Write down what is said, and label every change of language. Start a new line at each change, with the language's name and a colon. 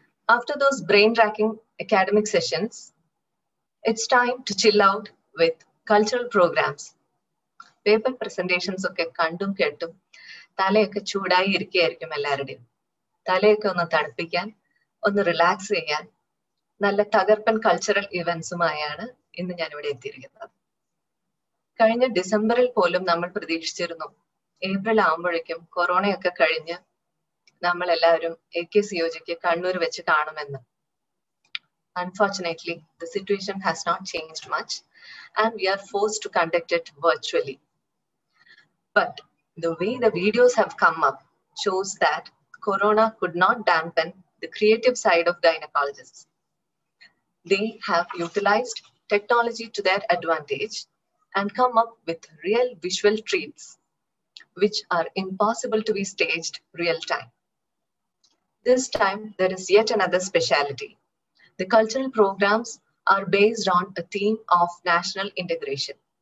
English: After those brain-racking academic sessions, it's time to chill out with cultural programs.
Malayalam: Paper presentations okke kandum kettum thalayokke choodayi irikkayirikkum ellarude thalayokke onnu thanippikkan onnu relax cheyyan നല്ല തകർപ്പൻ cultural ഇവൻസുമായാണ് ഇന്ന് ഞാൻ ഇവിടെ എത്തിയിരിക്കുന്നത്. കഴിഞ്ഞ ഡിസംബറിൽ പോലും നമ്മൾ പ്രതീക്ഷിച്ചിരുന്നു ഏപ്രിൽ ആകുമ്പോഴേക്കും കൊറോണയൊക്കെ കഴിഞ്ഞ് നമ്മൾ എല്ലാവരും AKCOG കണ്ണൂർ വെച്ച് കാണുമെന്ന്.
English: Unfortunately the situation has not changed much and we are force to conduct it virtually. But the way the videos have come up shows that corona could not dampen the creative side of gynaecologist. They have utilized technology to their advantage and come up with real visual treats which are impossible to be staged real time. This time there is yet another specialty. The cultural programs are based on a theme of national integration.